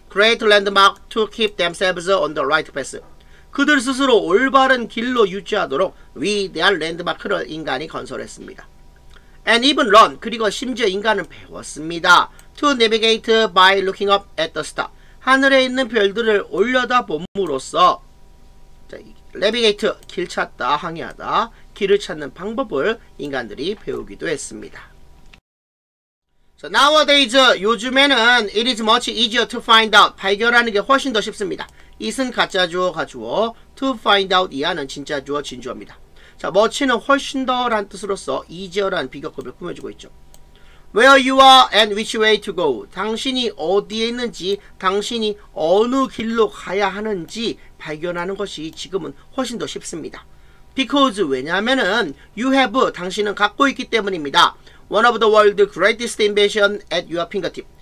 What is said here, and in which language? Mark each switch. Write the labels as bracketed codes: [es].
[en] Great landmark to keep themselves on the right path. [ko] 그들 스스로 올바른 길로 유지하도록 위대한 랜드마크를 인간이 건설했습니다. [en] And even learn, [ko] 그리고 심지어 인간은 배웠습니다. [en] To navigate by looking up at the star. [ko] 하늘에 있는 별들을 올려다봄으로써 자, 내비게이트, 길 찾다, 항해하다, 길을 찾는 방법을 인간들이 배우기도 했습니다. [en] So nowadays, [ko] 요즘에는 [en] it is much easier to find out, [ko] 발견하는 게 훨씬 더 쉽습니다. is은 가짜 주어, 가주어, to find out 이하는 진짜 주어, 진주어입니다. 자, much는 훨씬 더 라는 뜻으로써 easier라는 비교급을 꾸며주고 있죠. [en] Where you are and which way to go. [ko] 당신이 어디에 있는지, 당신이 어느 길로 가야 하는지 발견하는 것이 지금은 훨씬 더 쉽습니다. [en] Because, [ko] 왜냐면은, [en] you have, [ko] 당신은 갖고 있기 때문입니다. [en] One of the world's greatest invention at your fingertip.